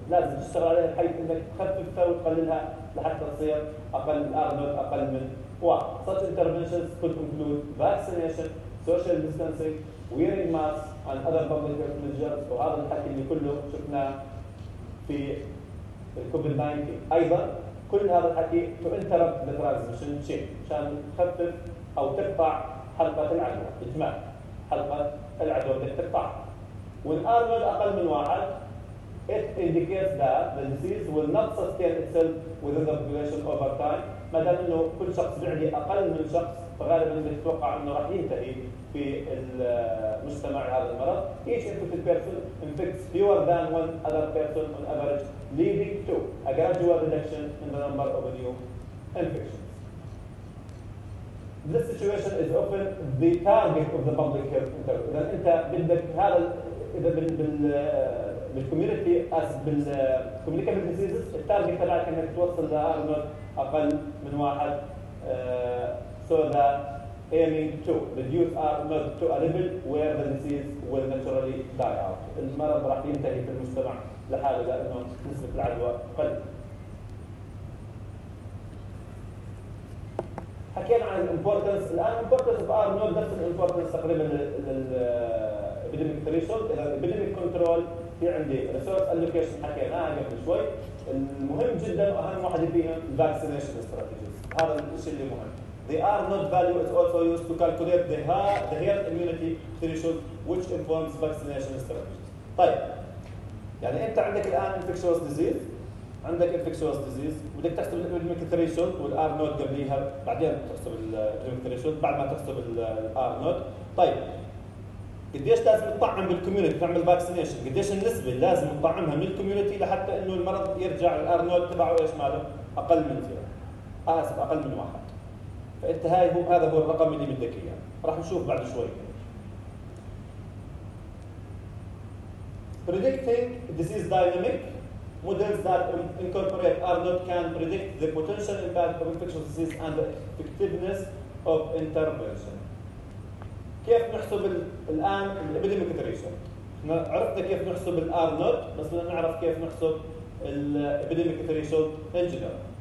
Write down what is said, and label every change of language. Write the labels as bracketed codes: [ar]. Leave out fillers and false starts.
[ar] لازم تشتغل عليها بحيث إنك تخففها وتقللها لحتى تصير أقل R naught أقل من 1. [en] Such interventions could include vaccination, social distancing, wearing masks and other public health measures. [ar] وهذا الحكي اللي كله شفناه في الكوفيد 19. أيضا كل هذا الحكي [en] to interrupt the transmission chain [ar] عشان تخفف أو تقطع حلقة العدوى. إجماع حلقة العدوى بدك تقطعها. [en] When R naught [ar] أقل من 1 [en] it indicates that the disease will not sustain itself within the population over time. [ar] ما دام إنه كل شخص بعدي أقل من شخص فغالبا بتتوقع إنه راح ينتهي في المجتمع هذا المرض. [en] Each infected person infects fewer than one other person on average, leading to a gradual reduction in the number of new infections. This situation is often the target of the public health interest. [ar] إذا أنت بدك هذا إذا بالcommunity as بالcommunicable diseases التارجت تبعك إنك توصل لR naught أقل من 1 [en] so that aiming to reduce R naught to a level where the disease will naturally die out. [ar] المرض راح ينتهي في المجتمع لحاله لأنه نسبة العدوى أقل. حكينا عن importance. الآن importance of R naught نفس importance تقريبا لل epidemic threshold. إذا epidemic control في عندي resource allocation حكيناها قبل شوي. المهم جدا وأهم واحد فيهم vaccination strategies. هذا الشيء اللي مهم. [en] The R naught value is also used to calculate the herd immunity threshold, which informs vaccination strategies. [ar] طيب يعني أنت عندك الآن infectious disease, عندك infectious disease بدك تحسب epidemic threshold والR naught قبليها, بعدين تحسب epidemic threshold بعد ما تحسب الR naught. طيب قديش لازم تطعم بالكوميونتي تعمل فاكسينيشن, قديش النسبه اللي لازم تطعمها من الكوميونتي لحتى انه المرض يرجع الار نوت تبعه ايش ماله اقل من 0, اسف اقل من 1. فانت هاي هو هذا هو الرقم اللي بدك اياه, راح نشوف بعد شوي. [en] Predicting disease dynamic models that incorporate R naught can predict the potential impact of infectious disease and the effectiveness of intervention. [ar] كيف نحسب الآن الإبيديميك تريشن؟ إحنا عرفنا كيف نحسب الآر نوت, بس بدنا نعرف كيف نحسب الإبيديميك تريشن إن جنرال.